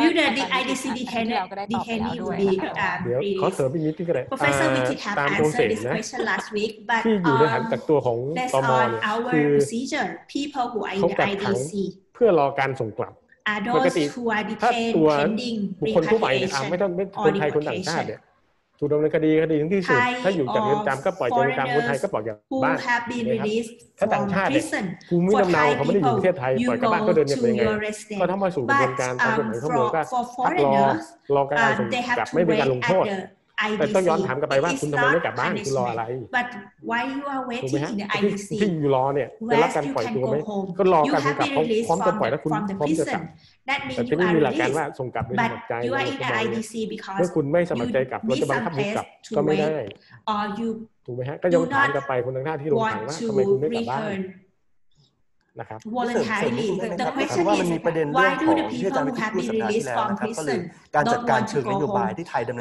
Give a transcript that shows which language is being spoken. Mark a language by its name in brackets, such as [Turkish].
[English] ยูเดอะ IDC detainee will be [Thai] เดี๋ยวขอเสริมอีกนิดนึงก็ได้ [English] Professor Wittig have answered this question last week but [Thai] ที่อยู่ในฐานะตัวของตม. เนี่ยคือ [English] procedure people who are in IDC [Thai] เพื่อรอการส่งกลับ ปกติถ้าตัว บุคคลทั่วไปเนี่ยไม่ต้องไม่คนไทยคนต่างชาติเนี่ยถูกดำเนินคดีคดีถึงที่สุดถ้าอยู่จากเรือนจำก็ปล่อยจากเรือนจำคนไทยก็ปล่อยอย่างบ้านถ้าต่างชาติภูมิลำเนาเขาไม่ได้อยู่ประเทศไทยปล่อยกลับบ้านก็เดินยังไงก็ต้องมาสู่กระบวนการตามกฎหมายเขาบอกว่าพักรอการส่งกลับไม่เป็นการลงโทษแต่ต้องย้อนถามกลับไปว่าคุณทำไมไม่กลับบ้านคุณรออะไร ถูกไหมฮะ ที่อยู่รอเนี่ยจะรับการปล่อยตัวไหมก็รอการส่งกลับพร้อมจะปล่อยแล้วคุณพร้อมจะกลับ [English] That means you are released, but you are in IDC because you need some space to wait, or you do not want to return to your country. Right? So you need some space to wait, or you do not want to return to your country. Voluntarily, the question is why do the people who have been released from prison don't want to go home?